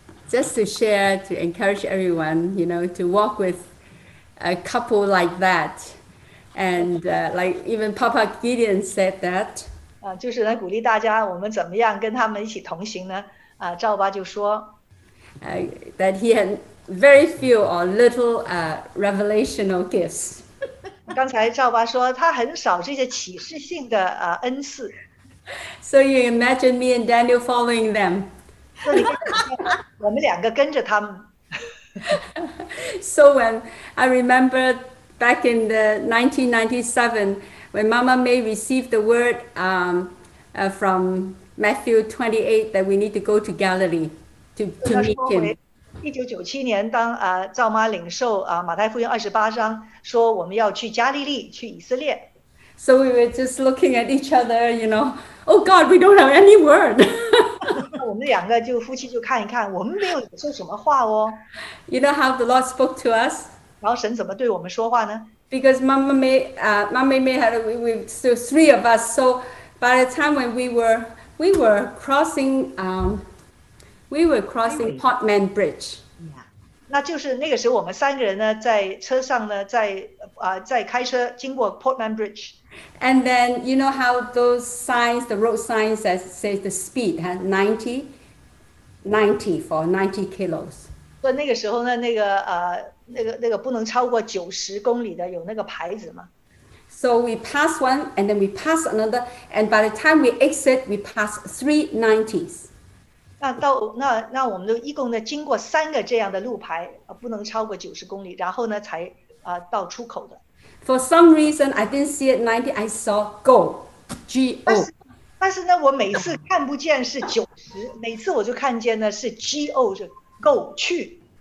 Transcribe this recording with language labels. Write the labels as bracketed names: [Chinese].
[English] Just to share, to encourage everyone, you know, to walk with a couple like that. And like even Papa Gideon said that. [Chinese] 就是来鼓励大家, 我们怎么样跟他们一起同行呢? 赵爸就说, [English] that he had very few or little revelational gifts. [Chinese] 刚才赵爸说, 他很少这些启示性的, 呃, 恩赐。 [English] So you imagine me and Daniel following them. [Chinese] 我们两个跟着他们。 [English] So when I remember back in the 1997, when Mama May received the word from Matthew 28 that we need to go to Galilee to meet him. [Chinese] 1997年当 赵妈领受 马太福音28章, 说我们要去加利利去以色列。 [English] So we were just looking at each other, you know, oh God, we don't have any word. [Chinese] 我们两个就夫妻就看一看, 我们没有说什么话哦。 [English] You know how the Lord spoke to us? [Chinese] 然后神怎么对我们说话呢? [English] Because Mama May had, we so three of us, so by the time when we were crossing Portman Bridge. [Chinese] 那就是那个时候我们三个人呢, 在车上呢, 在, 呃, 在开车经过 Portman Bridge。 [English] And then you know how those signs, the road signs that say the speed, 90 for 90 kilos. [Chinese] 那个时候呢, 那个, 呃, 那个, 那个不能超过90公里的有那个牌子吗? [English] So we pass one and then we pass another, and by the time we exit, we pass 390s. [Chinese] 那我们就一共经过三个这样的路牌, 不能超过90公里, 然后呢, 才, 到出口的。 [English] For some reason, I didn't see it 90, I saw go, G-O. [Chinese] 但是呢, 我每次看不见是90, 每次我就看见呢是G-O, 是go去。